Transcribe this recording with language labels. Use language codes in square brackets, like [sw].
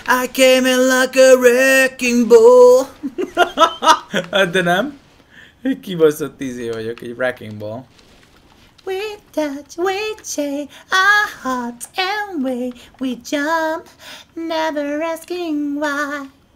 [en] I came in like a wrecking ball. [hu] De nem. Kibaszott izé vagyok, egy [en] wrecking ball. We touch, we chase our hearts and we jump, never asking why.